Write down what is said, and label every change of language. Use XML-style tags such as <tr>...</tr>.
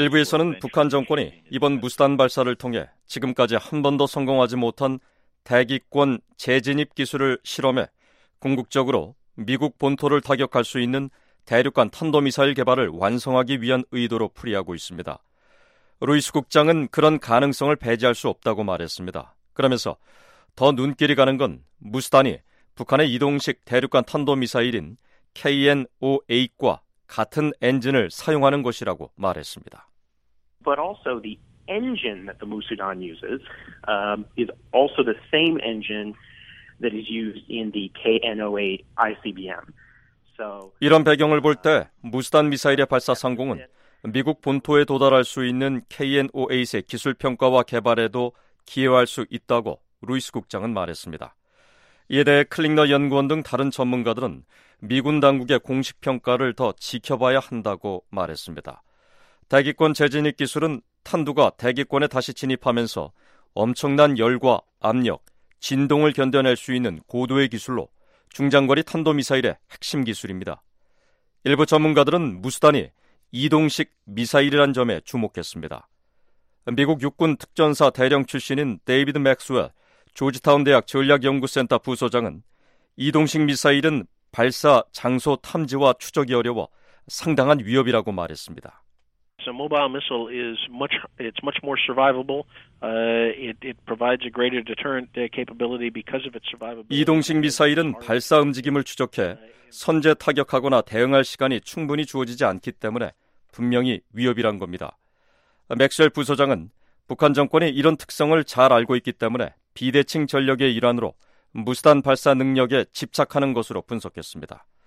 <ko>일부에서는 북한 정권이 이번 무수단 발사를 통해 지금까지 한 번도 성공하지 못한 대기권 재진입 기술을 실험해 궁극적으로 미국 본토를 타격할 수 있는 대륙간 탄도미사일 개발을 완성하기 위한 의도로 풀이하고 있습니다. 루이스 국장은 그런 가능성을 배제할 수 없다고 말했습니다. 그러면서 더 눈길이 가는 건 무수단이 북한의 이동식 대륙간 탄도미사일인 KN-08과 같은 엔진을 사용하는 것이라고 말했습니다.</ko> <en>But also the engine that the Musudan uses is also the same engine that is used in the KN-08 ICBM. So</en> <ko>이런 배경을 볼 때 무수단 미사일의 발사 성공은 미국 본토에 도달할 수 있는 KN-08의 기술 평가와 개발에도 기여할 수 있다고 루이스 국장은 말했습니다. 이에 대해 클링너 연구원 등 다른 전문가들은 미군 당국의 공식 평가를 더 지켜봐야 한다고 말했습니다. 대기권 재진입 기술은 탄두가 대기권에 다시 진입하면서 엄청난 열과 압력, 진동을 견뎌낼 수 있는 고도의 기술로 중장거리 탄도미사일의 핵심 기술입니다. 일부 전문가들은 무수단이 이동식 미사일이란 점에 주목했습니다. 미국 육군 특전사 대령 출신인 데이비드 맥스웰 조지타운 대학 전략연구센터 부소장은 이동식 미사일은 발사 장소 탐지와 추적이 어려워 상당한 위협이라고 말했습니다.</ko> <en>So mobile missile is much it's much more survivable. It provides a greater deterrent capability because of its survivability.</en> <ko>이동식 미사일은 발사 움직임을 추적해 선제 타격하거나 대응할 시간이 충분히 주어지지 않기 때문에 분명히 위협이란 겁니다. 맥스웰 부소장은 북한 정권이 이런 특성을 잘 알고 있기 때문에 비대칭 전력의 일환으로 무수단 발사 능력에 집착하는 것으로 분석했습니다.</ko>